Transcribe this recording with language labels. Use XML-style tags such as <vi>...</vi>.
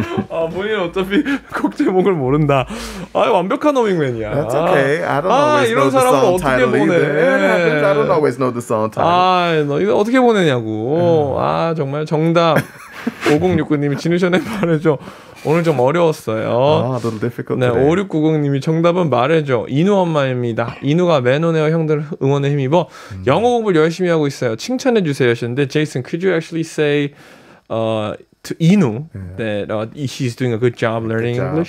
<ko>아 본인은 어차피 곡 제목을 모른다. 아 완벽한 허밍맨이야.</ko> <en>That's okay. I don't always know the song title either. It happens. I don't always know the song title.</en> <ko>아 너 이거 어떻게 보내냐고. 아 정말 정답. 5069님이 진우션의 말해줘 오늘 좀 어려웠어요. 아, 너무 difficult. 네, 5690님이 정답은 말해줘 이누 엄마입니다. 이누가 맨온웨어 형들 응원에 힘입어 영어 공부를 열심히 하고 있어요. 칭찬해 주세요. 하셨는데</ko> <en>제이슨, could you actually say to 이누 that she's doing a good job learning English?</en>